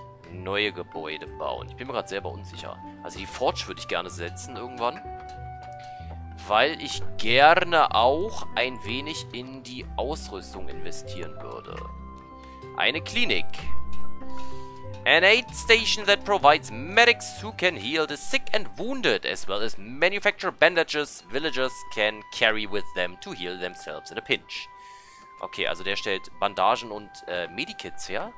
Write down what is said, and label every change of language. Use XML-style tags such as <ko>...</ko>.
<de>neue Gebäude bauen. Ich bin mir gerade selber unsicher. Also die Forge würde ich gerne setzen irgendwann. Weil ich gerne auch ein wenig in die Ausrüstung investieren würde. Eine Klinik.</de> <en>An aid station that provides medics who can heal the sick and wounded as well as manufacture bandages villagers can carry with them to heal themselves in a pinch.</en> <de>Okay, also der stellt Bandagen und Medikits her.</de>